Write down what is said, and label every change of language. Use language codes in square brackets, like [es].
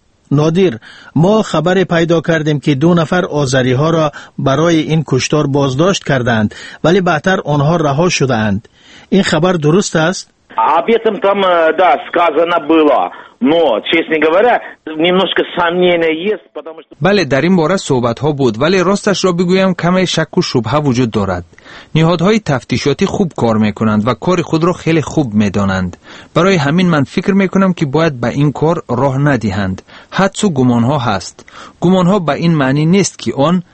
[fa] نادر، ما خبر پیدا کردیم که دو نفر آذری ها را برای این کشتار بازداشت کردند، ولی بعدتر آنها رها شده اند. این خبر درست است؟ [ru] Об этом там, да, сказано было, но, честно говоря, немножко сомнения есть, потому что... [tg] Бале, дар ин бора соҳбатҳо буд, вале росташ ро бигӯям, каме шакку шубҳа вуҷуд дорад. Ниҳодҳои тафтишоти хуб кор мекунанд ва кори худро хеле хуб медонанд. Барои ҳамин ман фикр мекунам, ки бояд ба ин кор роҳ надиҳанд. Ҳадсу гумонҳо ҳаст. Гумонҳо ба ин маънӣ нест, ки он